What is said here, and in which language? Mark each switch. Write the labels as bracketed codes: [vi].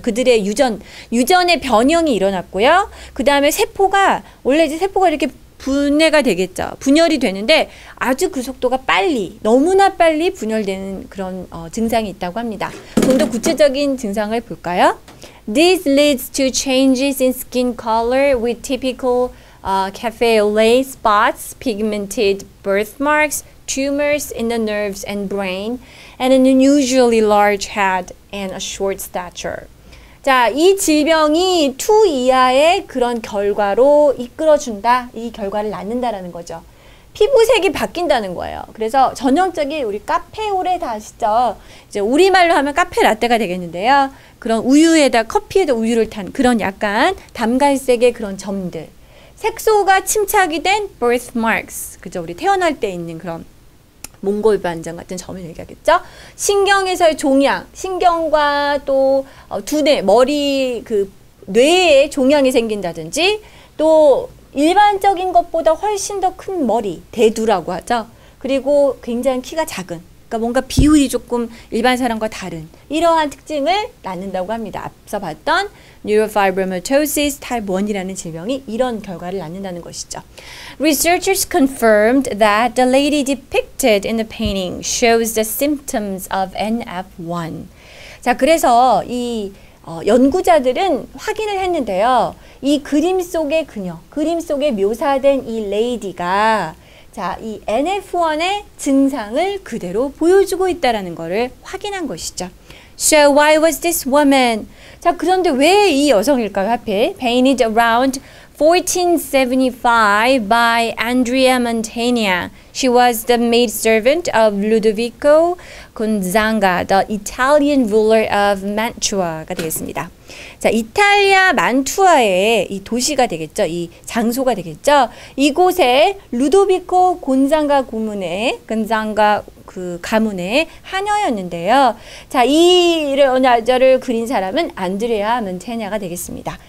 [ko] 그들의 유전의 변형이 일어났고요. 그 다음에 세포가, 원래 이제 세포가 이렇게 분해가 되겠죠. 분열이 되는데 아주 그 속도가 빨리, 너무나 빨리 분열되는 그런 증상이 있다고 합니다. 좀 더 구체적인 증상을 볼까요? [en] This leads to changes in skin color with typical cafe au lait spots, pigmented birthmarks, tumors in the nerves and brain, and an unusually large head and a short stature. [ko] 자, 이 질병이 2 이하의 그런 결과로 이끌어준다, 이 결과를 낳는다라는 거죠. 피부색이 바뀐다는 거예요. 그래서 전형적인 우리 카페오레 다 아시죠? 이제 우리말로 하면 카페라떼가 되겠는데요. 그런 우유에다 커피에다 우유를 탄 그런 약간 담갈색의 그런 점들. 색소가 침착이 된 birthmarks. 그죠? 우리 태어날 때 있는 그런 몽골 반점 같은 점을 얘기하겠죠? 신경에서의 종양, 신경과 또 두뇌, 머리 그 뇌에 종양이 생긴다든지 또 일반적인 것보다 훨씬 더 큰 머리, 대두라고 하죠. 그리고 굉장히 키가 작은, 그러니까 뭔가 비율이 조금 일반 사람과 다른 이러한 특징을 낳는다고 합니다. 앞서 봤던 neurofibromatosis type 1이라는 질병이 이런 결과를 낳는다는 것이죠. [en] Researchers confirmed that the lady depicted in the painting shows the symptoms of NF1. [ko] 자, 그래서 이 연구자들은 확인을 했는데요. 이 그림 속의 그녀, 그림 속에 묘사된 이 레이디가 자, 이 NF1의 증상을 그대로 보여주고 있다라는 것을 확인한 것이죠. [en] So why was this woman? [ko] 자, 그런데 왜 이 여성일까요? 하필 [en] painted around 1475 by Andrea Mantegna. She was the maid servant of Ludovico Gonzaga, the Italian ruler of Mantua가 [ko] 되겠습니다. 자, 이탈리아 만투아의 이 도시가 되겠죠. 이 장소가 되겠죠. 이곳에 루도비코 곤장가 고문의 곤장가 그 가문의 하녀였는데요. 자, 이 여자를 그린 사람은 안드레아 멘테냐가 되겠습니다.